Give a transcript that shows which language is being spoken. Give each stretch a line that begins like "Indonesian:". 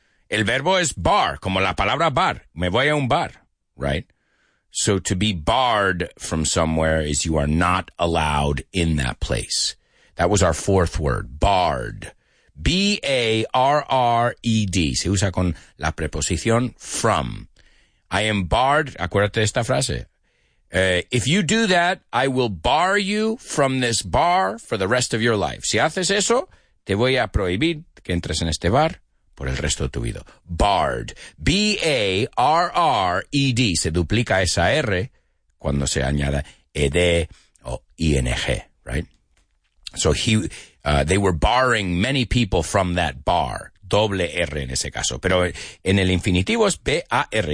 Spanish: El verbo es bar, como la palabra bar. Me voy a un bar, right?
English: So to be barred from somewhere is you are not allowed in that place. That was our fourth word, barred. B-A-R-R-E-D.
Spanish: Se usa con la preposición from.
English: I am barred.
Spanish: Acuérdate esta frase.
English: If you do that, I will bar you from this bar for the rest of your life.
Spanish: Si haces eso, te voy a prohibir que entres en este bar. Por el resto de tu vida. Barred. B-A-R-R-E-D. Se duplica esa R cuando se añada E-D o I-N-G, right?
English: So they were barring many people from that bar.
Spanish: Doble R en ese caso. Pero en el infinitivo es B-A-R.